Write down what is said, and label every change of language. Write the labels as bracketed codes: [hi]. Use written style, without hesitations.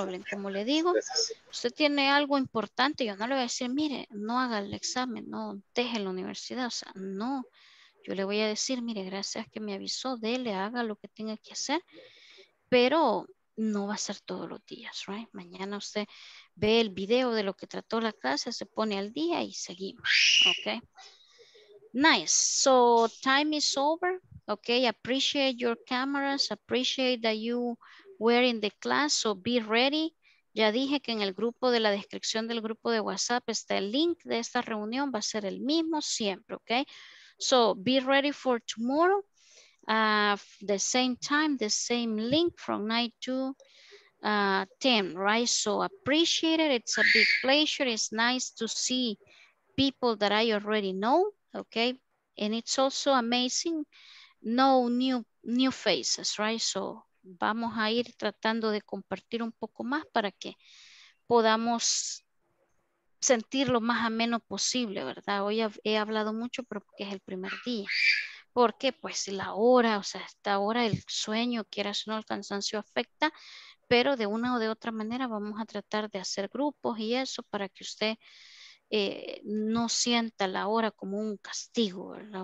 [es] Como le digo, usted tiene algo importante, yo no le voy a decir, mire, no haga el examen, no deje la universidad, o sea, no. Yo le voy a decir, mire, gracias que me avisó, dele, haga lo que tenga que hacer, pero no va a ser todos los días, right? Mañana usted ve el video de lo que trató la clase, se pone al día y seguimos, ok. [en] Nice, so time is over. Okay, appreciate your cameras, appreciate that you were in the class, so be ready. [es] Ya dije que en el grupo de la descripción del grupo de WhatsApp está el link de esta reunión, va a ser el mismo siempre, okay? [en] So be ready for tomorrow, the same time, the same link from 9 to 10, right? So appreciate it, it's a big pleasure, it's nice to see people that I already know, okay? And it's also amazing. No new faces, right? [es] So vamos a ir tratando de compartir un poco más para que podamos sentir lo más ameno posible, ¿verdad? Hoy he hablado mucho, pero porque es el primer día. Porque pues la hora, o sea, esta hora el sueño, quieras o no, el cansancio afecta, pero de una o de otra manera vamos a tratar de hacer grupos y eso para que usted no sienta la hora como un castigo, ¿verdad?